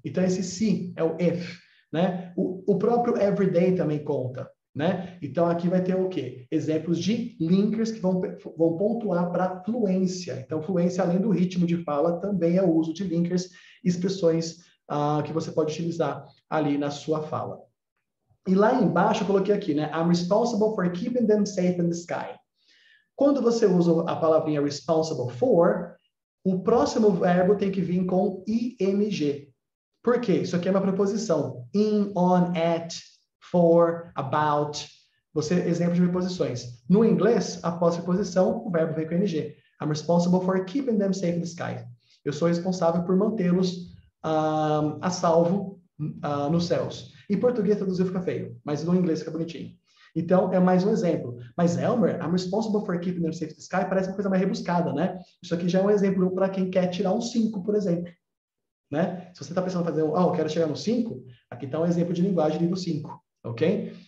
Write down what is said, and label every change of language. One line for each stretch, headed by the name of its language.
Portuguese: Então, esse se é o if, né? O próprio everyday também conta. Né? Então aqui vai ter o quê? Exemplos de linkers que vão pontuar para fluência. Então, fluência, além do ritmo de fala, também é o uso de linkers e expressões que você pode utilizar ali na sua fala. E lá embaixo eu coloquei aqui, né?
English: I'm responsible for keeping them safe in the sky.
Portuguese: Quando você usa a palavrinha responsible for, o próximo verbo tem que vir com ing. Por quê? Isso aqui é uma preposição. In, on, at. For, about, você, exemplo de preposições. No inglês, após a preposição, o verbo vem com ing.
English: I'm responsible for keeping them safe in the sky.
Portuguese: Eu sou responsável por mantê-los a salvo nos céus. Em português, traduzir fica feio, mas no inglês fica bonitinho. Então, é mais um exemplo. Mas, Elmer,
English: I'm responsible for keeping them safe in the sky
Portuguese: parece uma coisa mais rebuscada, né? Isso aqui já é um exemplo para quem quer tirar um 5, por exemplo. Né? Se você está pensando em fazer eu quero chegar no 5, aqui está um exemplo de linguagem nível 5. Ok?